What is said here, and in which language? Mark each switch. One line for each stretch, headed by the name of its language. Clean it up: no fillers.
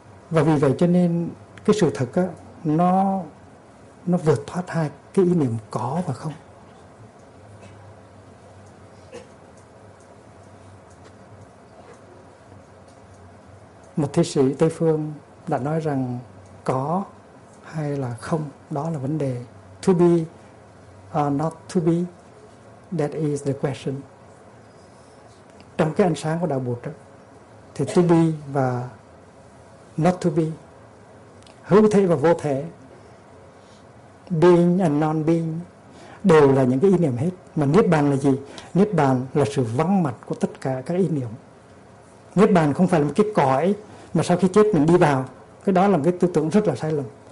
Vietnamese: Và vì vậy cho nên cái sự thật á, nó vượt thoát hai cái ý niệm có và không. Một thi sĩ Tây Phương đã nói rằng có hay là không, đó là vấn đề.
English: To be or not to be, that is the question.
Vietnamese: Trong cái ánh sáng của Đạo Bụt đó, thì to be và not to be, hữu thể và vô thể, being and non-being, đều là những cái ý niệm hết. Mà Niết Bàn là gì? Niết Bàn là sự vắng mặt của tất cả các ý niệm. Niết Bàn không phải là một cái cõi mà sau khi chết mình đi vào, cái đó là một cái tư tưởng rất là sai lầm.